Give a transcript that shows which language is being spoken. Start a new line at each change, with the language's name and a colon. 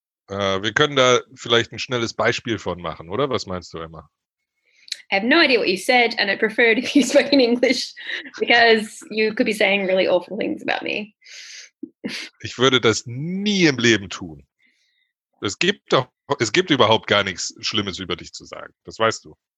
German: Wir können da vielleicht ein schnelles Beispiel von machen, oder? Was meinst du, Emma?
English: I have no idea what you said, and I prefer it if you spoke in English, because you could be saying really awful things about me.
German: Ich würde das nie im Leben tun. Es gibt überhaupt gar nichts Schlimmes über dich zu sagen, das weißt du.